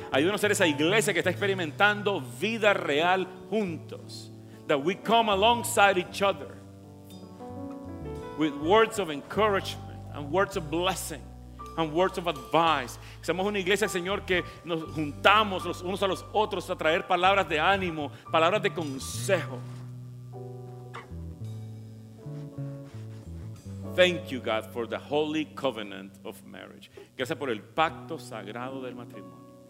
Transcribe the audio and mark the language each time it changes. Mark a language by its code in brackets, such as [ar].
[es] Ayúdanos a ser esa iglesia que está experimentando vida real juntos. [en] That we come alongside each other with words of encouragement and words of blessing and words of advice. [es] Somos una iglesia, Señor, que nos juntamos los unos a los otros a traer palabras de ánimo, palabras de consejo. [en] Thank you, God, for the holy covenant of marriage. [es] Gracias por el pacto sagrado del matrimonio.